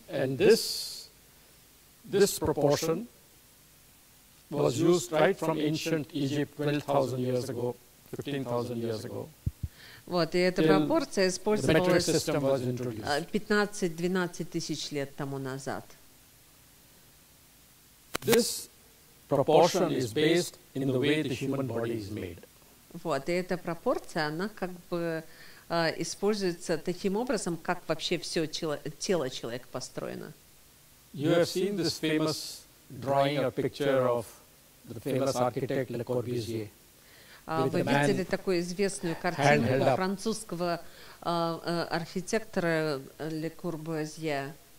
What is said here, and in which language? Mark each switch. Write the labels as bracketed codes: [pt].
[en] And this proportion was used right from ancient Egypt 12,000 years ago, 15,000 years ago. [ru] Вот, и эта пропорция использовалась 15-12 тысяч лет тому назад. [en] This proportion is based in the way the human body is made. [ru] Вот, и эта пропорция, она как бы используется таким образом, как вообще все тело человека построено. [en] You have seen this famous drawing or picture of the famous architect Le Corbusier. [ru] Вы видели такую известную картину французского архитектора Le Corbusier?